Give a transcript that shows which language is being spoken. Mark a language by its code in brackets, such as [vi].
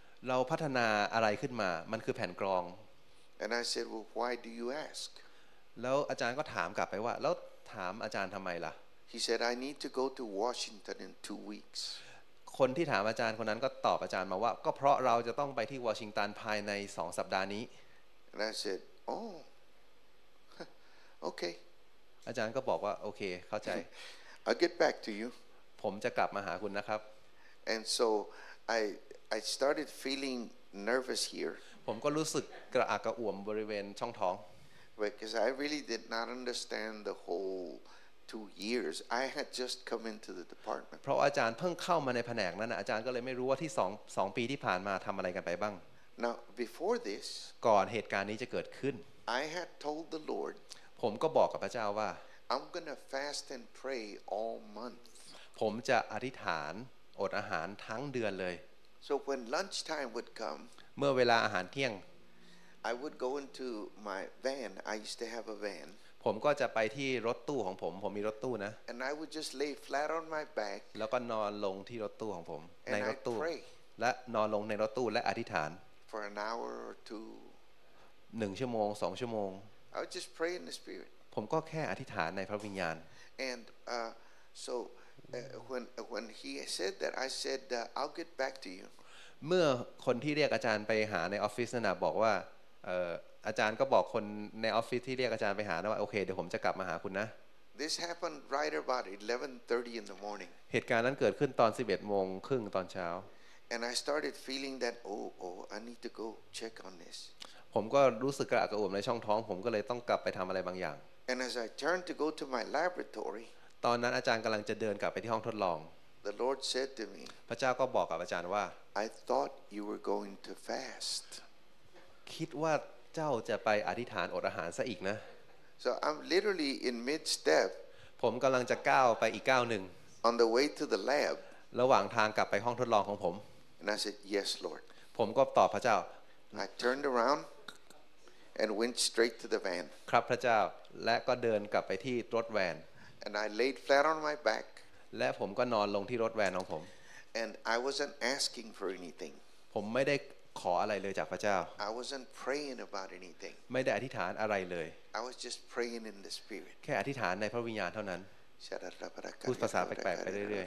[th] เราพัฒนาอะไรขึ้นมามันคือแผ่นกรอง [en] And I said, well, why do you ask? [th] แล้วอาจารย์ก็ถามกลับไปว่าแล้วถามอาจารย์ทำไมล่ะ [en] He said, I need to go to Washington in 2 weeks. [th] คนที่ถามอาจารย์คนนั้นก็ตอบอาจารย์มาว่าก็เพราะเราจะต้องไปที่วอชิงตันภายใน2 สัปดาห์นี้ [en] And I said, oh, okay. [th] อาจารย์ก็บอกว่าโอเคเข้าใจ [en] I'll get back to you. [th] ผมจะกลับมาหาคุณนะครับ [en] And so I started feeling nervous here. [th] ผมก็รู้สึกกระอักกระอ่วนบริเวณช่องท้อง [en] because I really did not understand the whole 2 years I had just come into the department [th] เพราะอาจารย์เพิ่งเข้ามาในแผนกนั้นอาจารย์ก็เลยไม่รู้ว่าที่2ปีที่ผ่านมาทำอะไรกันไปบ้าง [en] now before this [th] ก่อนเหตุการณ์นี้จะเกิดขึ้น [en] I had told the Lord [th] ผมก็บอกกับพระเจ้าว่า [en] I'm gonna fast and pray all month [th] ผมจะอธิษฐานอดอาหารทั้งเดือนเลย [en] so when lunchtime would come [th] เมื่อเวลาอาหารเที่ยง [en] I would go into my van I used to have a van [th] ผมก็จะไปที่รถตู้ของผมผมมีรถตู้นะ [en] and I would just lay flat on my back [th] แล้วก็นอนลงที่รถตู้ของผมในรถตู้ และนอนลงในรถตู้และอธิษฐาน [en] for an hour or two [th] 1ชั่วโมง2ชั่วโมง [en] I would just pray in the spirit [th] ผมก็แค่อธิษฐานในพระวิญญาณ [en] and so when he said that I said I'll get back to you [th] เมื่อคนที่เรียกอาจารย์ไปหาในออฟฟิศน่ะบอกว่าอาจารย์ก็บอกคนในออฟฟิศที่เรียกอาจารย์ไปหานะว่าโอเคเดี๋ยวผมจะกลับมาหาคุณนะ [en] This happened right about 11:30 in the morning [th] เหตุการณ์นั้นเกิดขึ้นตอน 11:30 ตอนเช้า [en] And I started feeling that oh I need to go check on this [th] ผมก็รู้สึกกระอักกระอ่วนในช่องท้องผมก็เลยต้องกลับไปทำอะไรบางอย่าง [en] And as I turned to go to my laboratory [th] ตอนนั้นอาจารย์กำลังจะเดินกลับไปที่ห้องทดลอง [en] The Lord said to me. [th] พระเจ้าก็บอกกับอาจารย์ว่า [en] I thought you were going to fast. [th] คิดว่าเจ้าจะไปอธิษฐานอดอาหารซะอีกนะ [en] So I'm literally in mid step. [th] ผมกำลังจะก้าวไปอีกก้าวหนึ่ง [en] On the way to the lab. [th] ระหว่างทางกลับไปห้องทดลองของผม [en] And I said yes, Lord. [th] ผมก็ตอบพระเจ้า [en] I turned around and went straight to the van. [th] ครับพระเจ้าและก็เดินกลับไปที่รถแวน [en] And I laid flat on my back. [th] และผมก็นอนลงที่รถแวนของผม [en] And I wasn't asking for anything [th] ผมไม่ได้ขออะไรเลยจากพระเจ้า [en] I wasn't praying about anything [th] ไม่ได้อธิษฐานอะไรเลย [en] I was just praying in the spirit [th] แค่อธิษฐานในพระวิญญาณเท่านั้นพูดภาษาแปลกๆไปเรื่อย